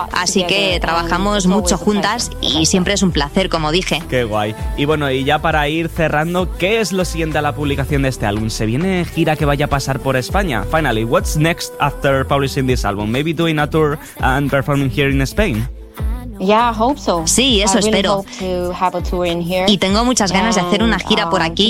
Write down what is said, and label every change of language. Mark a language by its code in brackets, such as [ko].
[es] Así que trabajamos mucho juntas y siempre es un placer, como dije. Qué guay. Y bueno, y ya para ir cerrando, ¿qué es lo siguiente a la publicación de este álbum? ¿Se viene gira que vaya a pasar por España? [en] Finally, what's next after publishing this album? Maybe doing a tour and performing here in Spain. Yeah, I hope so. [es] Sí, eso [en] I really [es] espero. [en] Hope to have a tour in here. [es] Y tengo muchas ganas de hacer una gira por aquí.